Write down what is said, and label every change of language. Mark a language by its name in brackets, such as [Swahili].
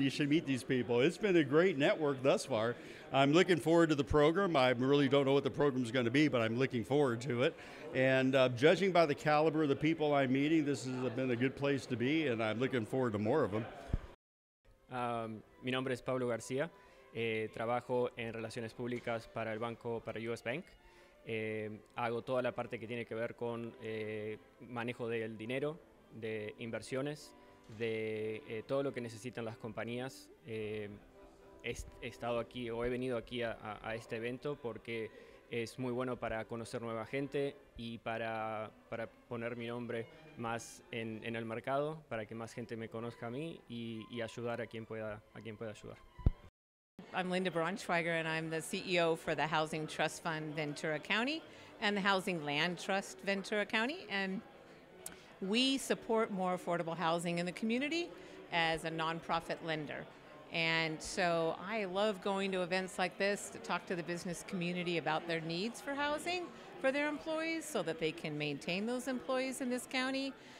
[English] You should meet these people. It's been a great network thus far. I'm looking forward to the program. I really don't know what the program is going to be, but I'm looking forward to it. And judging by the caliber of the people I'm meeting, this has been a good place to be, and I'm looking forward to more of them. [Spanish] Mi nombre es Pablo García. Trabajo en relaciones públicas para el banco, para US Bank. Hago toda la parte que tiene que ver con manejo del dinero, de inversiones, de todo lo que necesitan las compañías. He estado aquí, o he venido aquí a este evento porque es muy bueno para conocer nueva gente y para poner mi nombre más en el mercado, para que más gente me conozca a mí y ayudar a quien pueda ayudar. [English] I'm Linda Braunschweiger and I'm the CEO for the Housing Trust Fund Ventura County and the Housing Land Trust Ventura County, and we support more affordable housing in the community as a nonprofit lender. And so I love going to events like this to talk to the business community about their needs for housing for their employees so that they can maintain those employees in this county.